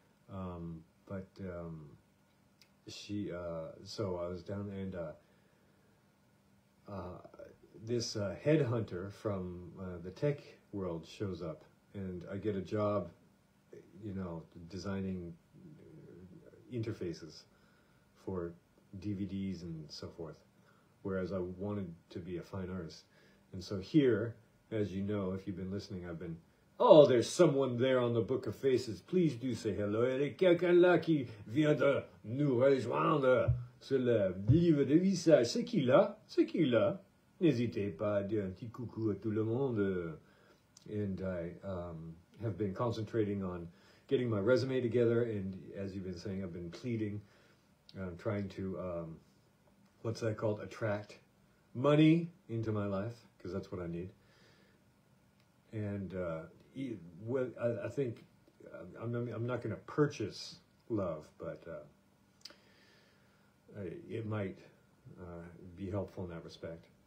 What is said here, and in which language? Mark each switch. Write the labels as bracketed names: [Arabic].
[English] So I was down there, and this headhunter from the tech world shows up, and I get a job, you know, designing interfaces for DVDs and so forth, whereas I wanted to be a fine artist. And so here, as you know, if you've been listening, I've been, oh, there's someone there on the Book of Faces. Please do say hello. [French] Et quelqu'un là qui vient de nous rejoindre sur le livre de visage. C'est qui là? C'est qui là? N'hésitez pas à dire un petit coucou à tout le monde. [English] And I have been concentrating on getting my resume together. And as you've been saying, I've been pleading, trying to, what's that called? Attract money into my life, because that's what I need. And I think I'm not going to purchase love, but it might be helpful in that respect.